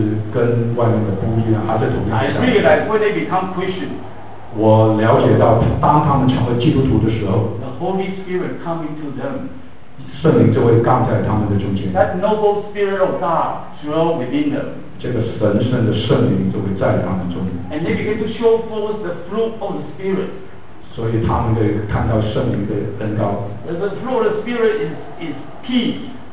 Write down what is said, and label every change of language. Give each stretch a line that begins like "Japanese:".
Chinese: 不过事实是在教会里面的小孩子是跟外面的不一样，还是同样的。
English: I realize when they become Christian.
Chinese: 我了解到当他们成为基督徒的时候,
English: the Holy Spirit come into them.
Chinese: 圣灵就会降在他们的中间。
English: That noble spirit of God dwell within them.
Chinese: 这个神圣的圣灵就会在他们中间。
English: And they begin to show forth the fruit of the Spirit.
Chinese: 所以他们可以看到圣灵的恩膏。
English: The fruit of the Spirit is peace.